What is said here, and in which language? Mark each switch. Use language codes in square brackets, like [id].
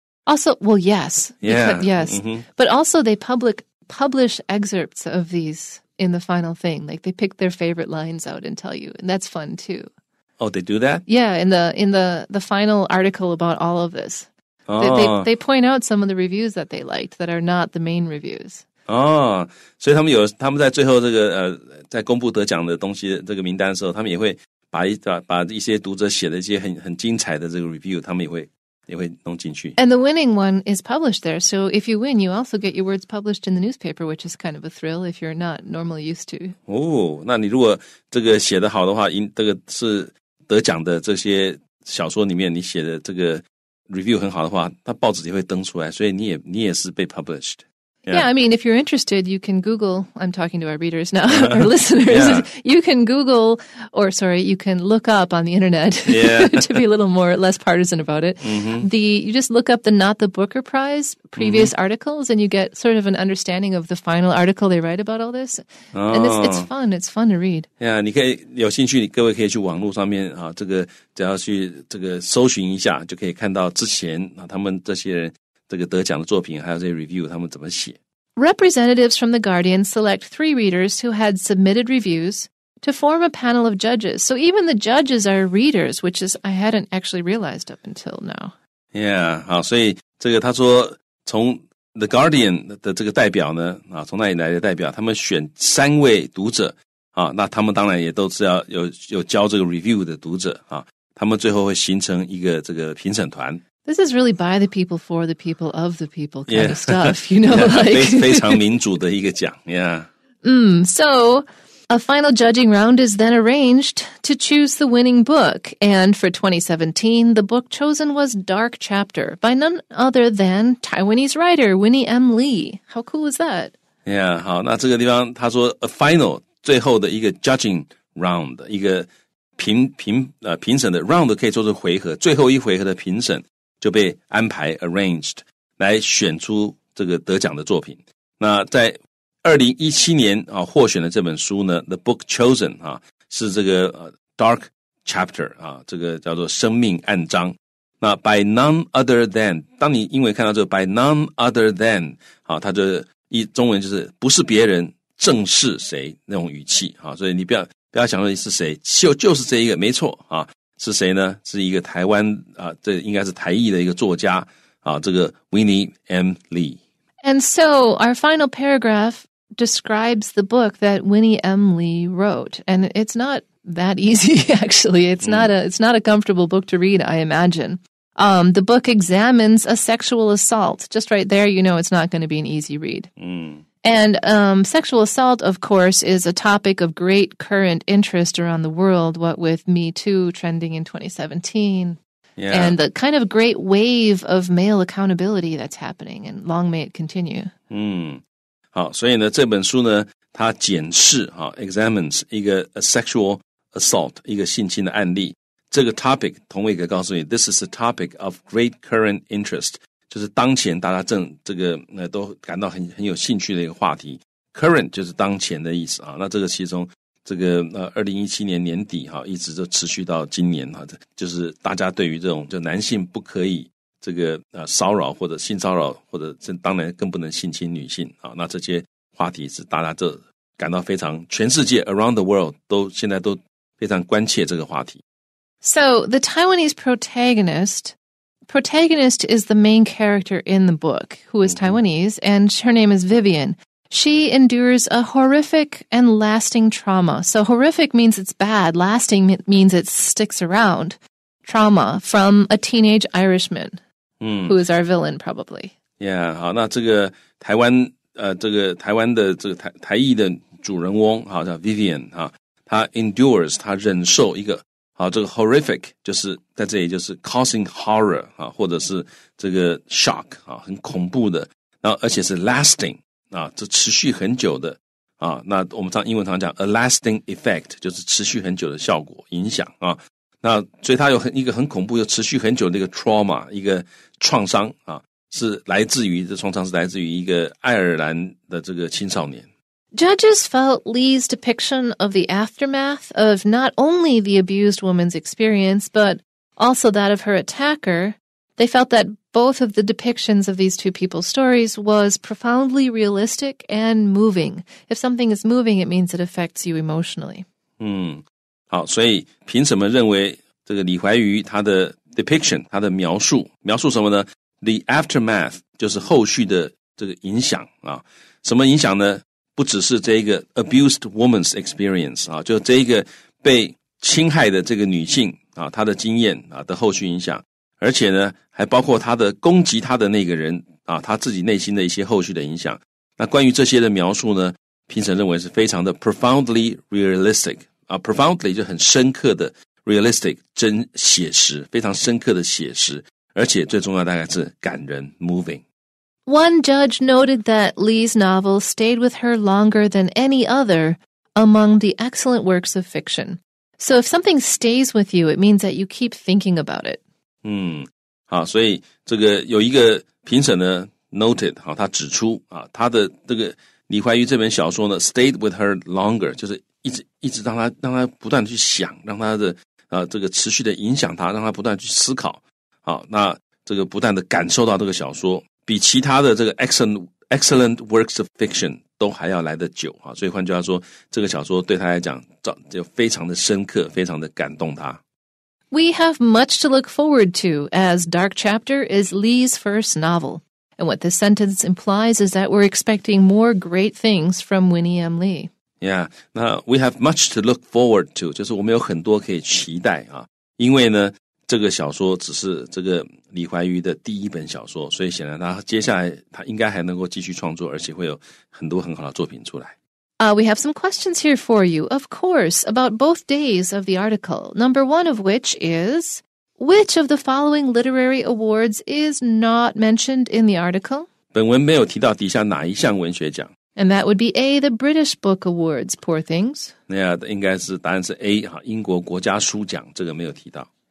[en] Also, well, yes. Yeah. Yes. Mm-hmm. But also, they publish excerpts of these. In the final thing, like they pick their favorite lines out and tell you, and that's fun too. Oh, they do that? Yeah, in the final article about all of this. Oh. They point out some of the reviews that they liked that are not the main reviews. Oh, so they [zh] 在最后这个在公布得奖的东西这个名单的时候，他们也会把一些读者写的一些很精彩的这个 review， 他们也会弄进去。 [en] And the winning one is published there. So if you win, you also get your words published in the newspaper, which is kind of a thrill if you're not normally used to. [zh] 哦，那你如果这个写得好的话，这个是得奖的这些小说里面你写的这个 review 很好的话，那报纸也会登出来，所以你也是被 published。 [en] Yeah, I mean, if you're interested, you can Google, I'm talking to our readers now, our listeners, you can Google, you can look up on the internet, to be a little more, less partisan about it. Mm-hmm. You just look up the Not the Booker Prize previous mm-hmm. articles, and you get sort of an understanding of the final article they write about all this. Oh. And it's fun to read. [zh] Yeah, 你可以有兴趣，各位可以去网络上面啊，这个只要去这个搜寻一下，就可以看到之前啊，他们这些人这个得奖的作品，还有这些 review， 他们怎么写 [en] ？Representatives from the Guardian select 3 readers who had submitted reviews to form a panel of judges. So even the judges are readers, which is I hadn't actually realized up until now. [zh] Yeah， 好，所以这个他说从 The Guardian 的这个代表呢，从那里来的代表，他们选三位读者啊，那他们当然也都是要有交这个 review 的读者啊，他们最后会形成一个这个评审团。 [en] This is really by the people, for the people, of the people kind of stuff, you know, like... [zh] 非常民主的一个奖, yeah. [en] Mm, so, a final judging round is then arranged to choose the winning book, and for 2017, the book chosen was Dark Chapter, by none other than Taiwanese writer Winnie M. Lee. How cool is that? [zh] Yeah, 好,那这个地方,他说 [en] a final, [zh] 最后的一个 [en] judging round, [zh] 一个评审的 round 可以说是回合,最后一回合的评审。就被安排 arranged 来选出这个得奖的作品。那在2017年啊获选的这本书呢 , [en] The Book Chosen [zh] 啊是这个Dark Chapter 啊这个叫做生命暗章。那 [en] by none other than, [zh] 当你英文看到这个 by none other than, 好，它就一中文就是不是别人，正是谁那种语气，好，所以你不要想说是谁，就是这一个，没错啊，是谁呢？是一个台湾啊，这应该是台裔的一个作家啊，这个 Winnie M. Lee. [en] And so our final paragraph describes the book that Winnie M. Lee wrote, and it's not that easy, actually. It's not a comfortable book to read, I imagine. The book examines a sexual assault. Just right there, you know it's not going to be an easy read. And sexual assault, of course, is a topic of great current interest around the world, what with Me Too trending in 2017. Yeah. And the kind of great wave of male accountability that's happening, and long may it continue. [zh] 好，所以呢，这本书呢，它检视啊 examines 一个 [en] sexual assault [zh] 一个性侵的案例，这个 topic 同伟哥告诉你 ， [en] this is a topic of great current interest， [zh] 就是当前大家正这个都感到很有兴趣的一个话题。 Current 就是当前的意思啊，那这个其中这个2017年年底哈、啊，一直就持续到今年哈、啊，就是大家对于这种就男性不可以这个骚扰或者性骚扰或者这当然更不能性侵女性啊，那这些。话题是大家都感到非常全世界 [en] around the world [zh] 都现在都非常关切这个话题。 [en] So the Taiwanese protagonist is the main character in the book, who is Taiwanese, and her name is Vivian. She endures a horrific and lasting trauma. So horrific means it's bad. Lasting means it sticks around. Trauma from a teenage Irishman, who is our villain probably. [zh] Yeah, 好，那这个台湾这个台湾的这个台裔的主人翁好叫 Vivian, 啊他 endures, 他忍受一个好这个 horrific, 就是在这里就是 [en] causing horror, [zh] 啊或者是这个 shock, 啊很恐怖的然后而且是 lasting, 啊这持续很久的啊那我们上英文常讲 [en] a lasting effect, [zh] 就是持续很久的效果影响啊那所以他有一个很恐怖又持续很久的一个 trauma, 一个创伤啊是来自于这创伤是来自于一个爱尔兰的这个青少年。 [en] Judges felt Lee's depiction of the aftermath of not only the abused woman's experience, but also that of her attacker. They felt that both of the depictions of these two people's stories was profoundly realistic and moving. If something is moving, it means it affects you emotionally. [zh] 好，所以凭什么认为这个李怀瑜他的 depiction, 他的描述什么呢？ [en] The aftermath [zh] 就是后续的这个影响啊，什么影响呢？不只是这一个 [en] abused woman's experience [zh] 啊，就这一个被侵害的这个女性啊，她的经验啊的后续影响，而且呢，还包括她的攻击她的那个人啊，她自己内心的一些后续的影响。那关于这些的描述呢，评审认为是非常的 [en] profoundly realistic [zh] 啊 ，profoundly 就很深刻的 realistic 真写实，非常深刻的写实。而且最重要大概是感人 moving. [en] One judge noted that Lee's novel stayed with her longer than any other among the excellent works of fiction. So if something stays with you, it means that you keep thinking about it. [zh] 好，所以这个有一个评审呢 noted, 好，他指出啊，他的这个李怀瑜这本小说呢 [en] stayed with her longer, [zh] 就是一直让他不断去想，让他的这个持续的影响他，让他不断去思考。好，那这个不断的感受到这个小说比其他的这个 [en] excellent works of fiction [zh] 都还要来得久啊，所以换句话说，这个小说对他来讲就非常的深刻，非常的感动他。 [en] We have much to look forward to as Dark Chapter is Lee's first novel, and what this sentence implies is that we're expecting more great things from Winnie M. Lee. [zh] Yeah, 那 [en] we have much to look forward to, [zh] 就是我们有很多可以期待啊，因为呢。这个小说只是这个李怀瑜的第一本小说，所以显然他接下来他应该还能够继续创作，而且会有很多很好的作品出来。 [en] We have some questions here for you, of course, about both days of the article. Number one of which is, which of the following literary awards is not mentioned in the article? [zh] 本文没有提到底下哪一项文学奖。 [en] And that would be A, the British Book Awards, poor things. [zh] 那样应该是答案是 A, 英国国家书奖，这个没有提到。